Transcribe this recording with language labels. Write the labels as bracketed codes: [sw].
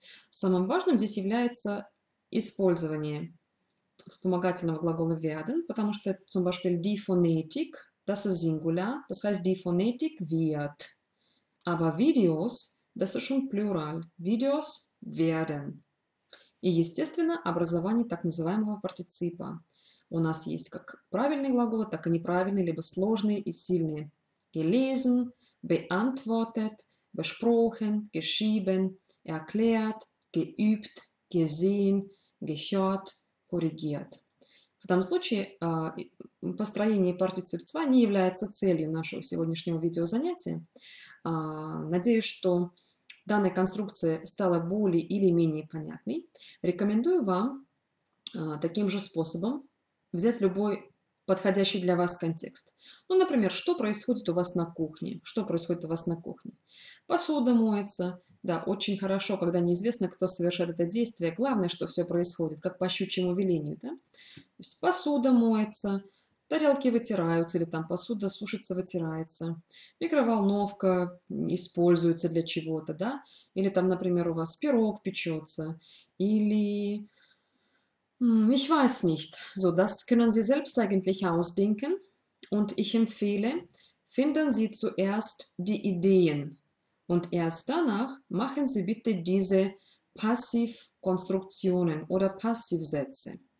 [ru] Самым важным здесь является использование вспомогательного глагола werden, потому что, [de] zum Beispiel, die Phonetik, das ist Singular, das heißt, die Phonetik wird. Aber Videos, das ist schon Plural, Videos werden. [ru] И, естественно, образование так называемого партиципа. У нас есть как правильные глаголы, так и неправильные, либо сложные и сильные. [de] Gelesen, beantwortet, besprochen, geschrieben, erklärt, geübt, gesehen, gehört, korrigiert. [ru] В данном случае построение партицип 2 не является целью нашего сегодняшнего видеозанятия. Надеюсь, что данная конструкция стала более или менее понятной. Рекомендую вам таким же способом взять любой подходящий для вас контекст. Ну, например, что происходит у вас на кухне? Что происходит у вас на кухне? Посуда моется. Да, очень хорошо, когда неизвестно, кто совершает это действие. Главное, что все происходит, как по щучьему велению, да? То есть посуда моется, тарелки вытираются, или там посуда сушится, вытирается. Микроволновка используется для чего-то, да? Или там, например, у вас пирог печется, или... [de] Ich weiß nicht. So, das können Sie selbst eigentlich ausdenken. Und ich empfehle, finden Sie zuerst die Ideen. Und erst danach machen Sie bitte diese Passivkonstruktionen oder Passivsätze.